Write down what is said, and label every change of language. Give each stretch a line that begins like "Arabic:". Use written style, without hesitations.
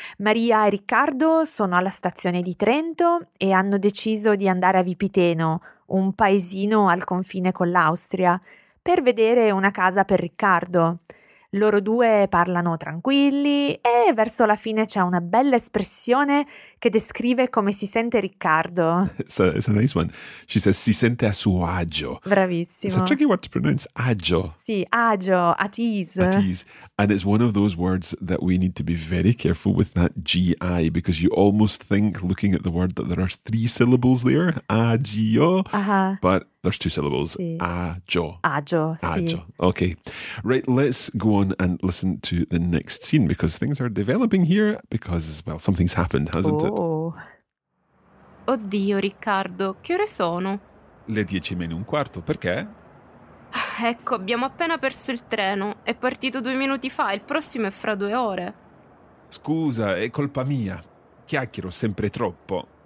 Italian: Maria e Riccardo sono alla stazione di Trento e hanno deciso di andare a Vipiteno, un paesino al confine con l'Austria, per vedere una casa per Riccardo. Loro due parlano tranquilli e verso la fine c'è una bella espressione che descrive come si sente Riccardo.
English: It's a nice one. She says,
Italian: si sente a suo agio. Bravissimo.
English: It's a tricky word to pronounce, agio.
Italian: Sì, agio,
English: at ease. At ease. And it's one of those words that we need to be very careful with that G-I, because you almost think, looking at the word, that there are three syllables there, agio, but there's two syllables,
Italian: sì. agio. Agio, agio. Sì.
English: Okay. Right, let's go on and listen to the next scene, because things are developing here, because, well, something's happened, hasn't it? Oh.
Italian: Oddio, Riccardo, che ore sono? Le 10:15, perché? Ecco, abbiamo appena perso il treno. È partito 2 minuti fa, il prossimo è fra 2 ore. Scusa, è colpa mia. Chiacchiero sempre troppo.